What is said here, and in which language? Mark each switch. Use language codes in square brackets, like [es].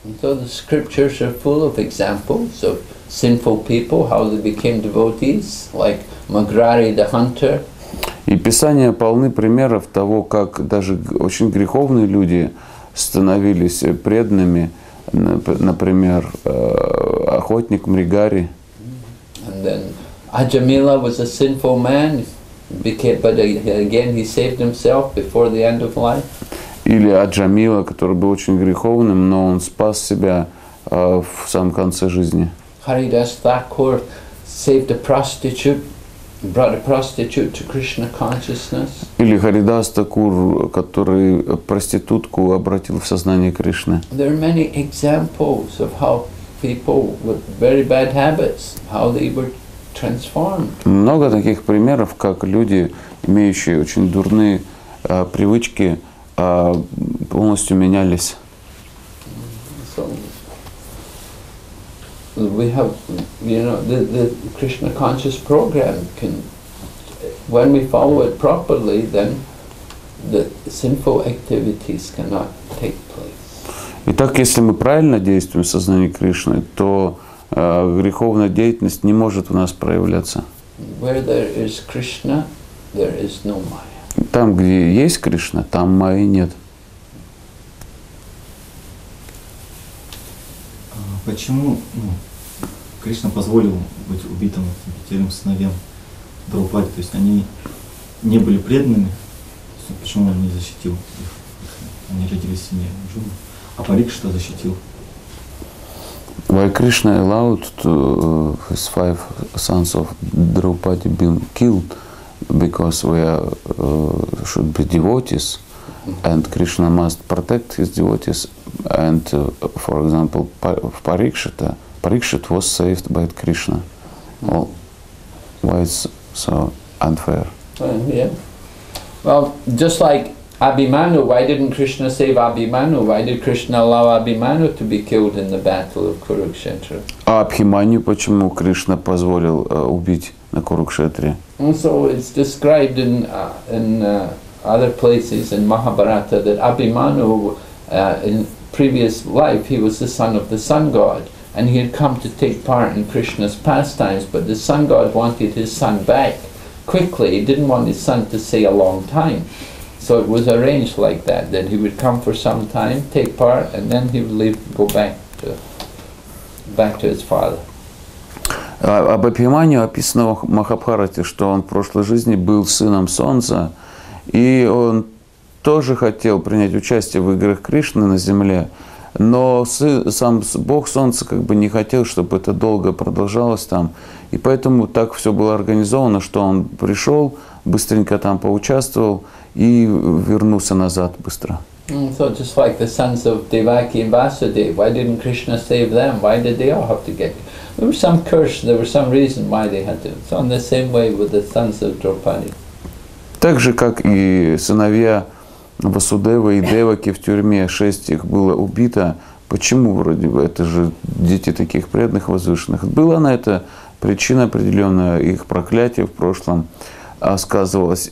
[en] So the scriptures are full of examples of sinful people, how they became devotees, like Magrari the hunter. [ru] И Писания полны примеров того, как даже очень греховные люди становились преданными, например, охотник Мригари. [en] And then Ajamila was a sinful man, but again he saved himself before the end of life. [ru] Или Аджамила, который был очень греховным, но он спас себя в самом конце жизни. [en] Haridas Thakur saved a prostitute, brought a prostitute to Krishna consciousness. [ru] Или Haridas Thakur, который проститутку обратил в сознание Кришны. [en] There are many examples of how people with very bad habits, how they were transformed. [ru] Много таких примеров, как люди, имеющие очень дурные привычки, полностью менялись. [en] So, we have, you know, the Krishna conscious program can, when we follow it properly, then the sinful activities cannot take place. [ru] Итак, если мы правильно действуем в сознании Кришны, то греховная деятельность не может у нас проявляться. [en] Where there is Krishna, there is no Maya. [ru] Там, где есть Кришна, там Майи нет. Почему Кришна позволил быть убитым пятерым сыновьям Драупади? То есть они не были преданными? Почему он не защитил их? Они родились в семье Джуны. А Парикшита защитил? [en] Why Krishna allowed to, his five sons of Draupadi being killed? Because we are, should be devotees, and Krishna must protect his devotees. And for example, Parikshit was saved by Krishna. Well, why is so unfair? Well, just like Abhimanyu, why didn't Krishna save Abhimanyu? Why did Krishna allow Abhimanyu to be killed in the battle of Kurukshetra? [ru] А Абхиманию почему Кришна позволил убить на Курукшетре? [en] Also, it's described in other places in Mahabharata that Abhimanyu, in previous life, he was the son of the sun god, and he had come to take part in Krishna's pastimes. But the sun god wanted his son back quickly. He didn't want his son to stay a long time. So it was arranged like that he would come for some time, take part, and then he would leave, go back to his father. [ru] Об Абхиманию описано в Махабхарате, что он в прошлой жизни был сыном солнца, и он тоже хотел принять участие в играх Кришны на земле, но сам Бог Солнца как бы не хотел, чтобы это долго продолжалось там, и поэтому так все было организовано, что он пришел, быстренько там поучаствовал и вернулся назад быстро. [en] So just like the sons of Devaki and Vasudeva, why didn't Krishna save them? Why did they all have to get? There was some curse. There was some reason why they had to. So in the same way with the sons of Draupadi. [ru] Так же как и сыновья Васудевы и Деваки в тюрьме, шесть их было убито. Почему вроде бы это же дети таких преданных возвышенных? Была на это причина определенная. Их проклятие в прошлом сказывалось.